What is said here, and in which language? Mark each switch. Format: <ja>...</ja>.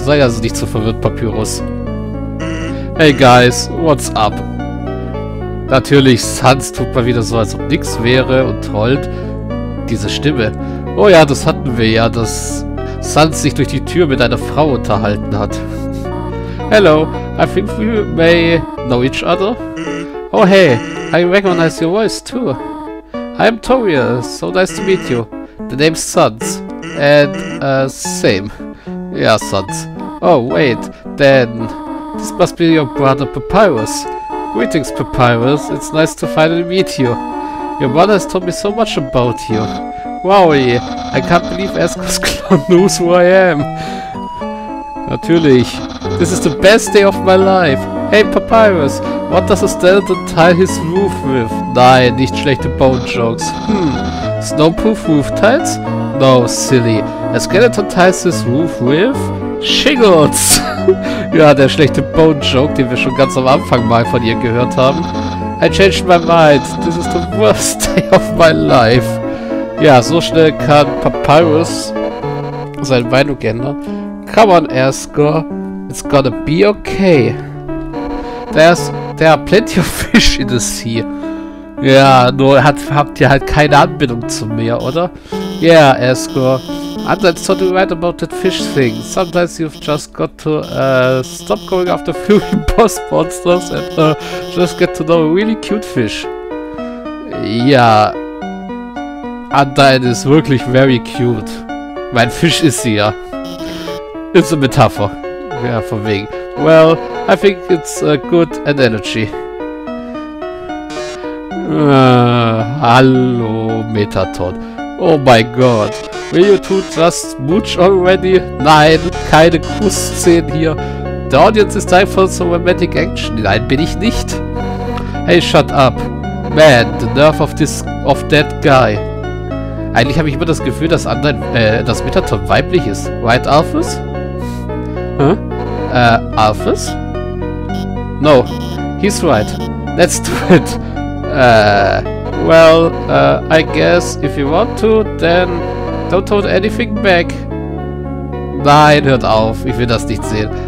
<de>Sei also nicht so verwirrt, Papyrus.</de> <en>Hey, guys, what's up?</en> <de>Natürlich, Sans tut mal wieder so, als ob nichts wäre und holt diese Stimme. Oh ja, das hatten wir ja, dass Sans sich durch die Tür mit einer Frau unterhalten hat.</de> <en>Hello, I think we may know each other. Oh hey, I recognize your voice too. I'm Toriel, so nice to meet you. The name's Sans. And, same.</en> <de>Ja,</de> <en>Sans. Oh, wait, then this must be your brother Papyrus. Greetings, Papyrus. It's nice to finally meet you. Your brother has told me so much about you. Wow, I can't believe Esco's clone knows who I am.</en> <de>Natürlich.</de> <en>This is the best day of my life. Hey, Papyrus, what does a skeleton tile his roof with?</en> <de>Nein, nicht schlechte</de> <en>Bone Jokes. Hm, snowproof roof tiles? No, silly. A skeleton tiles his roof with? Shingles!</en> <de>Ja, der schlechte Bone-Joke, den wir schon ganz am Anfang mal von ihr gehört haben.</de> <en>I changed my mind. This is the worst day of my life.</en> <de>Ja, so schnell kann Papyrus seine Meinung ändern.</de> <en>Come on, Asgore. It's gonna be okay. There are plenty of fish in the sea.</en> <de>Ja, nur habt ihr halt keine Anbindung zum Meer, oder?</de> <en>Yeah, Asgore. Undine's totally right about that fish thing. Sometimes you've just got to stop going after fury boss monsters and just get to know a really cute fish.</en> <de>Ja, Undine ist wirklich</de> <en>very cute.</en> <de>Mein Fisch ist sie ja. Ist eine Metapher. Ja, von wegen.</de> <en>Well, I think it's a good analogy.</en> <de>Hallo,</de> <en>Metaton. Oh my god. Will you two just mooch already?</en> <de>Nein, keine Kuss-Szenen hier.</de> <en>The audience is dying for some romantic action.</en> <de>Nein, bin ich nicht.</de> <en>Hey, shut up. Man, the nerve of this of that guy.</en> <de>Eigentlich habe ich immer das Gefühl, dass das Metaton weiblich ist.</de> <en>Right, Alphys? Huh? Alphys? No, he's right. Let's do it. Well, I guess if you want to, then don't hold anything back.</en> <de>Nein, hört auf, ich will das nicht sehen.</de>